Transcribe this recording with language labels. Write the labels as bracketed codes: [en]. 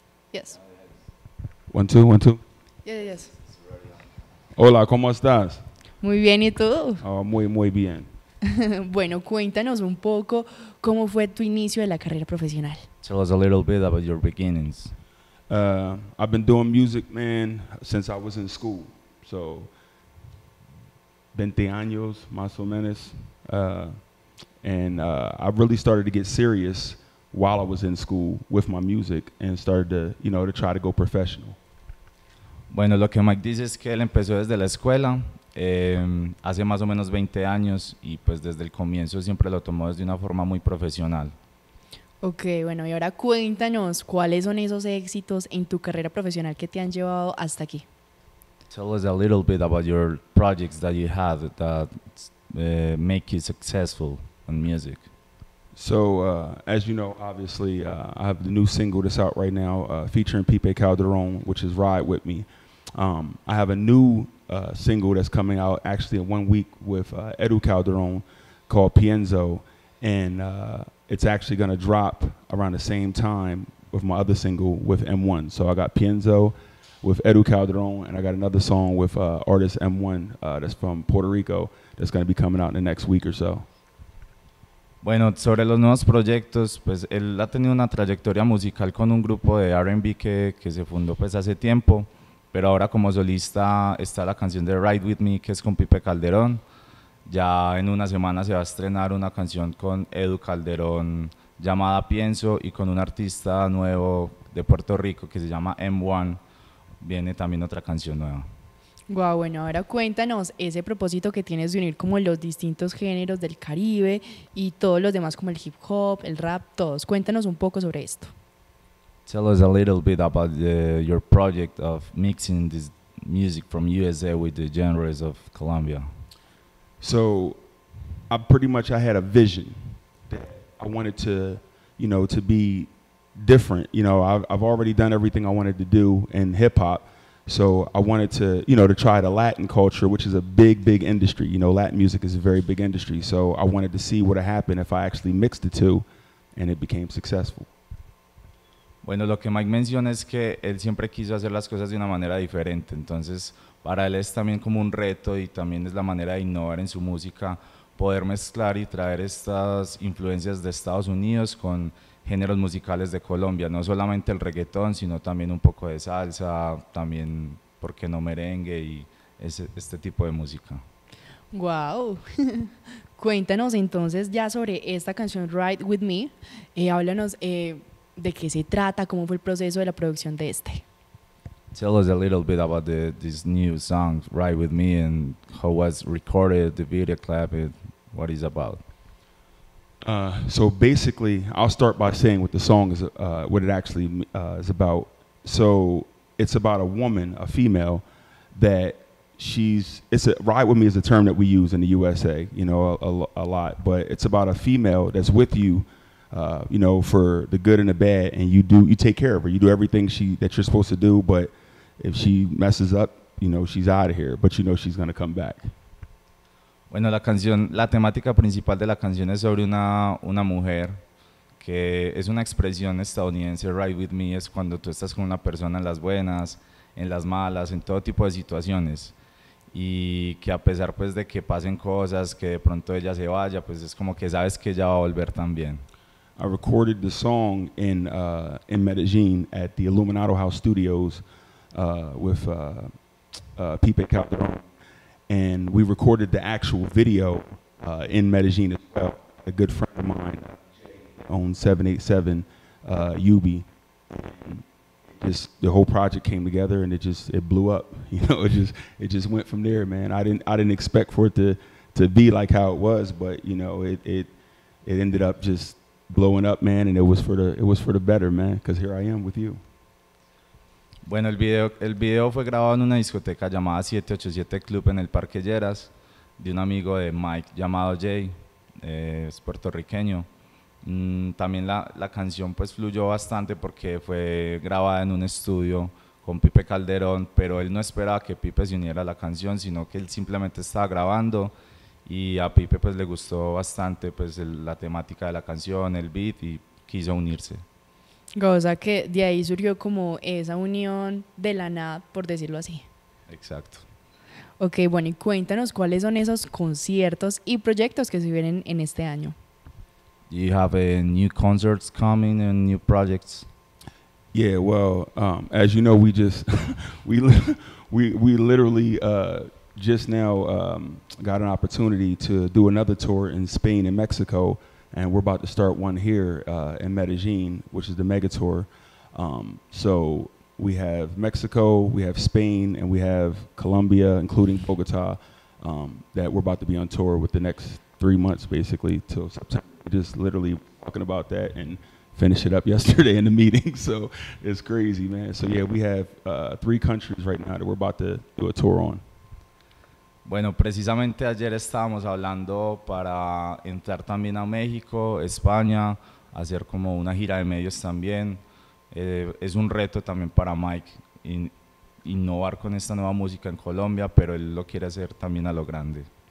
[en] Yes. One, two. Yes. [es] Hola, ¿cómo estás? Muy bien, ¿y tú? Muy bien. Bueno, cuéntanos un poco cómo fue tu inicio de la carrera profesional. [en] Tell us a little bit about your beginnings. I've been doing music, man, since I was in school. [es] So, 20 años, más o menos. [en] I really started to get serious while I was in school with my music and started to, you know, to try to go professional. [es] Bueno, lo que Mike dice es que él empezó desde la escuela. Hace más o menos 20 años y pues desde el comienzo siempre lo tomó desde una forma muy profesional. Ok, bueno, y ahora cuéntanos, ¿cuáles son esos éxitos en tu carrera profesional que te han llevado hasta aquí? [en] Tell us a little bit about your projects that you had that make you successful in music. So, as you know, obviously, I have the new single that's out right now featuring Pipe Calderon, which is Ride With Me. I have a new single that's coming out actually in 1 week with Edu Calderon called Pienso, and it's actually going to drop around the same time with my other single with M1. So I got Pienso with Edu Calderon, and I got another song with artist M1 that's from Puerto Rico that's going to be coming out in the next week or so. [es] Bueno, sobre los nuevos proyectos, pues él ha tenido una trayectoria musical con un grupo de R&B que se fundó pues hace tiempo. Pero ahora como solista está la canción de Ride With Me, que es con Pipe Calderón. Ya en una semana se va a estrenar una canción con Edu Calderón llamada Pienso, y con un artista nuevo de Puerto Rico que se llama M1, viene también otra canción nueva. Guau, wow, bueno, ahora cuéntanos ese propósito que tienes de unir como los distintos géneros del Caribe y todos los demás como el hip hop, el rap, todos. Cuéntanos un poco sobre esto. [en] Tell us a little bit about your project of mixing this music from USA with the genres of Colombia. So, I had a vision that I wanted to, you know, to be different. You know, I've already done everything I wanted to do in hip hop, so I wanted to, you know, to try the Latin culture, which is a big, big industry. You know, Latin music is a very big industry, so I wanted to see what would happen if I actually mixed the two, and it became successful. [es] Bueno, lo que Mike menciona es que él siempre quiso hacer las cosas de una manera diferente, entonces para él es también como un reto y también es la manera de innovar en su música, poder mezclar y traer estas influencias de Estados Unidos con géneros musicales de Colombia, no solamente el reggaetón, sino también un poco de salsa, también, ¿por qué no merengue y este tipo de música? Wow. Cuéntanos entonces ya sobre esta canción Ride With Me, háblanos... ¿De qué se trata? ¿Cómo fue el proceso de la producción de este? [en] Tell us a little bit about this new song, Ride With Me, and how was recorded, the video clip, and what it's about. So basically, I'll start by saying what the song is, what it actually is about. So it's about a woman, a female, that she's, Ride With Me is a term that we use in the USA, you know, a lot, but it's about a female that's with you, you know, for the good and the bad, and you take care of her, you do everything that you're supposed to do, but if she messes up, you know, she's out of here, but you know she's going to come back. [es] Bueno, la temática principal de la canción es sobre una mujer, que es una expresión estadounidense, Ride With Me, es cuando tú estás con una persona en las buenas, en las malas, en todo tipo de situaciones, y que a pesar pues de que pasen cosas, que de pronto ella se vaya, pues es como que sabes que ella va a volver también. [en] I recorded the song in Medellin at the Illuminato House Studios with Pipe Calderon, and we recorded the actual video in Medellin as well. A good friend of mine owned 787 Yubi. Just the whole project came together and it blew up. You know, it just went from there, man. I didn't expect for it to be like how it was, but you know, it ended up just blowing up, man, and it was for the better, man, because here I am with you. [es] Bueno, el video fue grabado en una discoteca llamada 787 Club en el Parque Lleras, de un amigo de Mike llamado Jay. es puertorriqueño. También la canción pues fluyó bastante porque fue grabada en un estudio con Pipe Calderón, pero él no esperaba que Pipe se uniera a la canción, sino que él simplemente estaba grabando y a Pipe pues le gustó bastante pues la temática de la canción, el beat, y quiso unirse. O sea que de ahí surgió como esa unión de la nada, por decirlo así. Exacto. Ok, bueno, y cuéntanos cuáles son esos conciertos y proyectos que se vienen en este año. [en] You have new concerts coming and new projects. Yeah, well, as you know, we just we literally just now got an opportunity to do another tour in Spain and Mexico, and we're about to start one here in Medellin, which is the mega tour. So we have Mexico, we have Spain, and we have Colombia, including Bogota, that we're about to be on tour with the next 3 months, basically, till September. Just literally talking about that and finish it up yesterday in the meeting, so it's crazy, man. So yeah, we have three countries right now that we're about to do a tour on. [es] Bueno, precisamente ayer estábamos hablando para entrar también a México, España, hacer como una gira de medios también. Es un reto también para Mike innovar con esta nueva música en Colombia, pero él lo quiere hacer también a lo grande.